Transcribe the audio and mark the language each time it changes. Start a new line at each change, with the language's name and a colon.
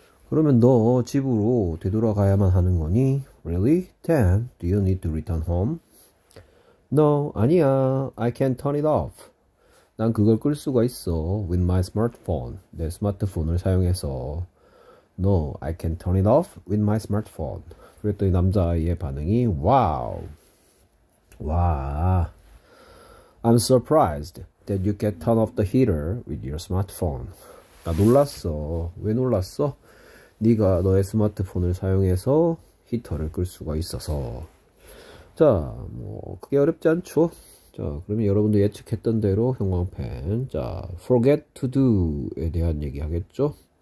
Korean: 그러면 너 집으로 되돌아가야만 하는 거니?
English: Really? Then, do you need to return home? No,
Korean: 아니야.
English: I can turn it off.
Korean: 난 그걸 끌 수가 있어.
English: With my smartphone.
Korean: 내 스마트폰을 사용해서.
English: No, I can turn it off with my smartphone.
Korean: 그랬더니 남자아이의 반응이 와우. 와.
English: I'm surprised that you can turn off the heater with your smartphone.
Korean: 나 놀랐어. 왜 놀랐어? 네가 너의 스마트폰을 사용해서 히터를 끌 수가 있어서. 자, 뭐 그게 어렵지 않죠? 자, 그러면 여러분도 예측했던 대로 형광펜. 자, forget to do에 대한 얘기 하겠죠?